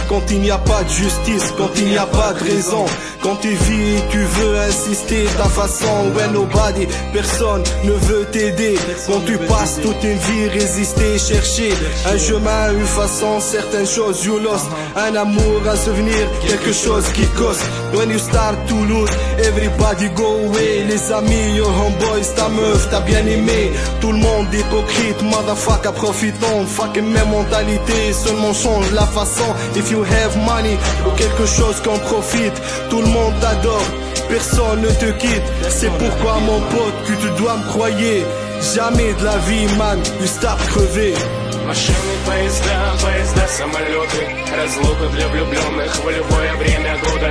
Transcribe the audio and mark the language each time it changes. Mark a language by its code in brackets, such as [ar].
[fr] Quand il n'y a pas de justice, quand il n'y a pas de raison. Quand tu vis et tu veux insister ta façon. [en] When nobody, [fr] personne ne veut t'aider. Quand tu passes toute une vie, résister, chercher un chemin, une façon, certaines choses. [en] You lost, [fr] un amour, un souvenir, quelque chose qui cause. [en] When you start to lose, everybody go away. [fr] Les amis, [en] your homeboys, [fr] ta meuf, ta bien-aimé. Tout le monde hypocrite, motherfucker, profitons. Fucking mes mentalités, seulement change la façon. [en] If you have money, [fr] ou quelque chose qu'on profite. Tout le monde t'adore, personne ne te quitte. C'est pourquoi mon pote, que tu dois me croyer. Jamais de la vie, man, [en] you start [fr] crever. [ru] Машины, поезда, поезда, самолеты. Разлука для влюбленных в любое время года.